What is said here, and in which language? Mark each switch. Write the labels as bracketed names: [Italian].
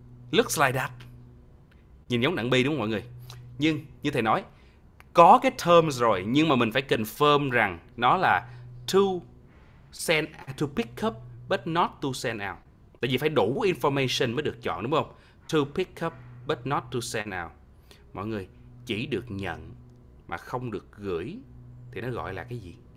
[English] Looks like that. [Vietnamese] Nhìn giống đặng bi đúng không mọi người? Nhưng như thầy nói, có cái terms rồi nhưng mà mình phải confirm rằng nó là [English] to pick up but not to send out. [Vietnamese] Tại vì phải đủ information mới được chọn đúng không? [English] To pick up but not to send out. [Vietnamese] Mọi người, chỉ được nhận mà không được gửi thì nó gọi là cái gì?